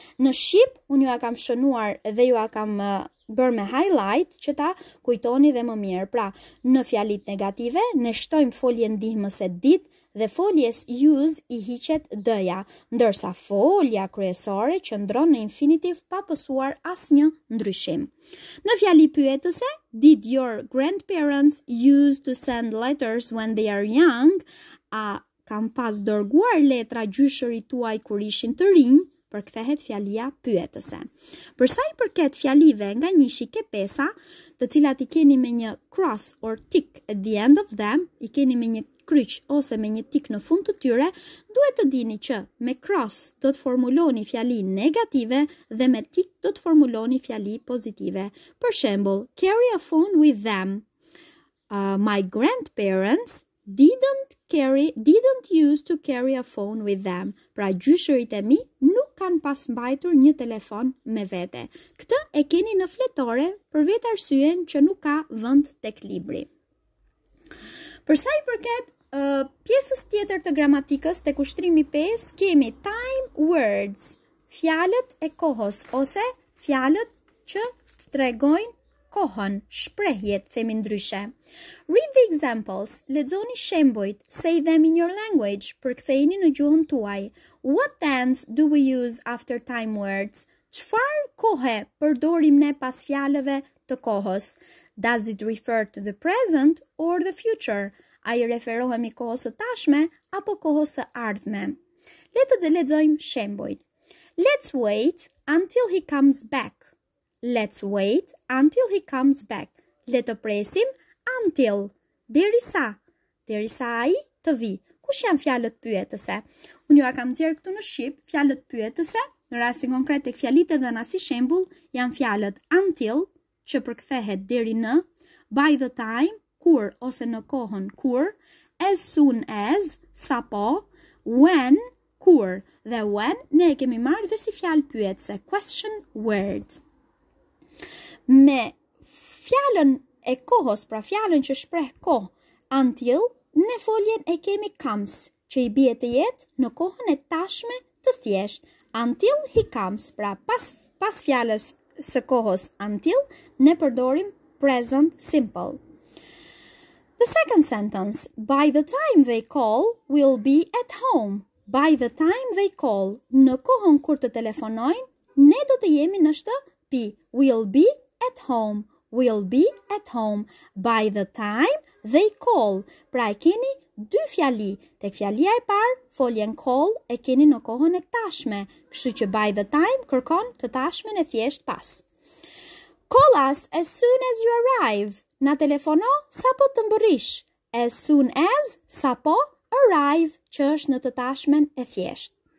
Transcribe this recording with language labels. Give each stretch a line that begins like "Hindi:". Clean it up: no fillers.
Albanian: Në Shqip, unë ju a kam shënuar dhe ju a kam bërë me highlight që ta kujtoni dhe më mirë. Pra, në fjalit negative, ne shtojmë foljen dihmëse did, dhe foljes use I hiqet dëja, ndërsa folja kryesore që ndron në infinitiv pa pësuar asnjë ndryshim. Në fjali pyetëse,
English: did your grandparents use to send letters when they are young?
Albanian: A kam pas dërguar letra gjyshërit tuaj kur ishin të rinj? Përkthehet fjalia pyetëse. Për sa I përket fjalive nga një shikë pesa, të cilat I keni me një
English: cross or tick at the end of them,
Albanian: I keni me një kryq ose me një tik në fund të tyre, duhet të dini që me cross do të formuloni fjali negative dhe me tik do të formuloni fjali pozitive. Për shembull,
English: carry a phone with them. My grandparents didn't use to carry a phone with them.
Albanian: Pra gjyshërit e mi nuk kanë pas mbajtur një telefon me vete. Këtë e keni në fletore për vetë arsyen që nuk ka vend tek libri. Për sa I përket pjesës tjetër të gramatikës tek ushtrimi 5, kemi time words, fjalët e kohës ose fjalët që tregojnë kohën, shprehjet themi ndryshe.
English: Read the examples,
Albanian: lexoni shembujt,
English: say them in your language,
Albanian: përktheni në gjuhën tuaj.
English: What tense do we use after time words?
Albanian: Çfarë kohe përdorim ne pas fjalëve të kohës?
English: Does it refer to the present or the future?
Albanian: A I referohemi kohës së tashme apo kohës së ardhme? Le të lexojmë shembujt.
English: Let's wait until he comes back. Let's wait until he comes back.
Albanian: Le të presim until, derisa, derisa ai të vi. Kush janë fjalët pyetëse? Unë ju a kam dhier këtu në Shqip, fjalët pyetëse, në rastin konkret tek fjalit e dhëna si shembull, janë fjalët until, që përkthehet deri në, by the time, kur, ose në kohën, kur, as soon as, sa po, when, kur, dhe when, ne e kemi marrë dhe si fjalë pyetëse, question word. Me fjalën e kohës, pra fjalën që shpreh kohë, until, në foljen e kemi comes, që I bie të jetë në kohën e tashme të thjesht.
English: Until he comes,
Albanian: pra pas fjalës së kohës until, ne përdorim present simple.
English: The second sentence, by the time they call, we'll be at home. By the time they call,
Albanian: në kohën kur të telefonojnë, ne do të jemi në shtëpi.
English: We'll be at home, we'll be at home, by the time they call.
Albanian: Pra e keni dy fjali, tek fjalia e parë, foljen call, e keni në kohën e tashme, kështu që by the time kërkon të tashmen e thjesht pas.
English: Call us as soon as you arrive,
Albanian: na telefono sa po të mbërish,
English: as soon as
Albanian: sa po arrive, që është në të tashmen e thjesht.